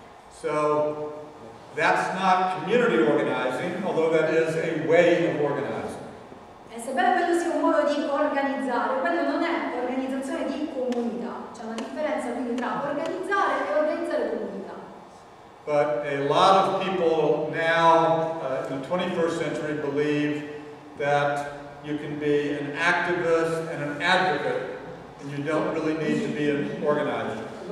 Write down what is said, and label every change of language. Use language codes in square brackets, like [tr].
[en] So that's not community organizing, although that is a way of organizing. [it] E sebbene quello sia un modo di organizzare, quello non è organizzazione di comunità. C'è una differenza quindi tra organizzare e organizzare comunità. [en] But a lot of people now in the 21st century believe that you can be an activist and an advocate and you don't really need to be an organizer.